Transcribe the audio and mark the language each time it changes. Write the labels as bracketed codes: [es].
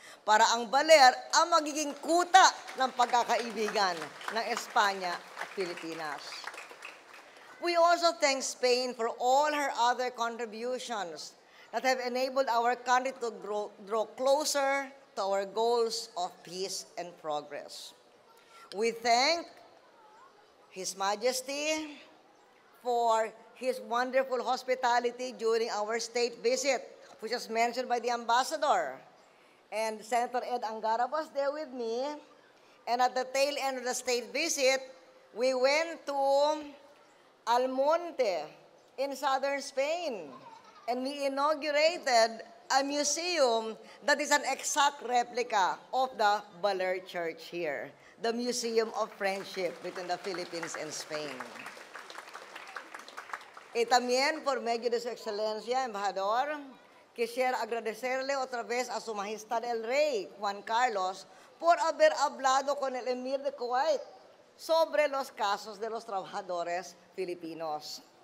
[tl] Para ang Baler ang magiging kuta ng pagkakaibigan ng Espanya at Pilipinas. [en] We also thank Spain for all her other contributions that have enabled our country to draw closer to our goals of peace and progress. We thank His Majesty, for his wonderful hospitality during our state visit, which was mentioned by the ambassador. And Senator Ed Angara was there with me. And at the tail end of the state visit, we went to Almonte in southern Spain. And we inaugurated a museum that is an exact replica of the Baler Church here, the Museum of Friendship between the Philippines and Spain. [es] Y también, por medio de su excelencia, embajador, quisiera agradecerle otra vez a su majestad el rey, Juan Carlos, por haber hablado con el emir de Kuwait sobre los casos de los trabajadores filipinos.